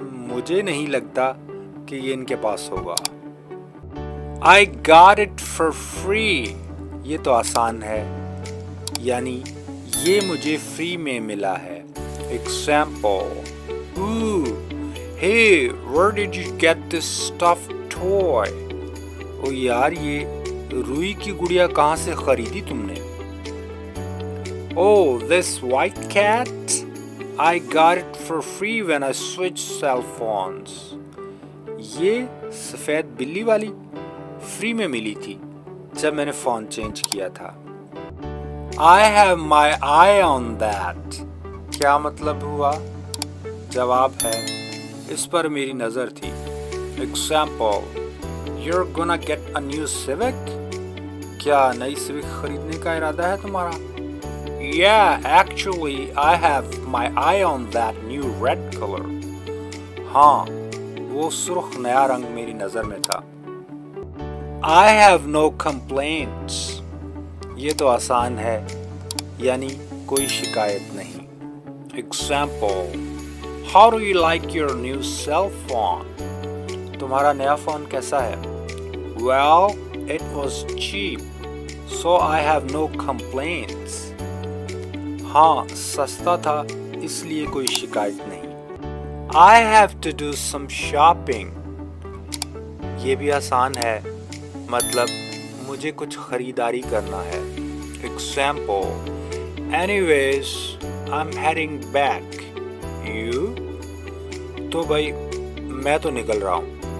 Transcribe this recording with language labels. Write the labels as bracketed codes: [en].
[ur] मुझे नहीं लगता कि ये इनके पास होगा. [en] I got it for free. [ur] ये तो आसान है. यानी ये मुझे फ्री में मिला है. [en] Example. Ooh, hey, where did you get this stuffed toy? [ur] ओ यार, ये रुई की गुड़िया कहाँ से खरीदी तुमने? [en] Oh, this white cat? I got it for free when I switched cell phones. [ur] ये सफेद बिल्ली वाली फ्री में मिली थी जब मैंने फोन चेंज किया था. [en] I have my eye on that. [ur] क्या मतलब हुआ? जवाब है, इस पर मेरी नजर थी. Example. [en] You're gonna get a new Civic? [ur] क्या नई Civic खरीदने का इरादा है तुम्हारा? [en] Yeah, actually, I have my eye on that new red color. [ur] हाँ, वो सुर्ख नया रंग मेरी नजर में था. [en] I have no complaints. [ur] ये तो आसान है, यानी कोई शिकायत नहीं. [en] Example. How do you like your new cell phone? [ur] तुम्हारा नया फोन कैसा है? [en] Well, it was cheap, so I have no complaints. [ur] हाँ, सस्ता था, इसलिए कोई शिकायत नहीं. [en] I have to do some shopping. [ur] ये भी आसान है. मतलब मुझे कुछ खरीदारी करना है. Example. [en] Anyways, I'm heading back. You? [ur] तो भाई मैं तो निकल रहा हूँ.